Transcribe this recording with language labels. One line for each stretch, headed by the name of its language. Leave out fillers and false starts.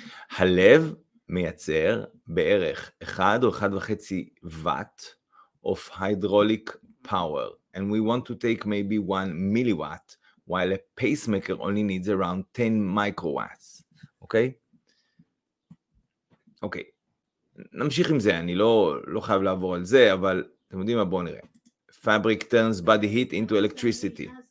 English: הלב מייצר בערך 1 or 1.5 watt of hydraulic power, and we want to take maybe 1 milliwatt, while a pacemaker only needs around 10 microwatts, אוקיי?
Hebrew: אוקיי, נמשיך עם זה, אני לא חייב לעבור על זה, אבל אתם יודעים מה, בואו נראה.
English: Fabric turns body heat into electricity.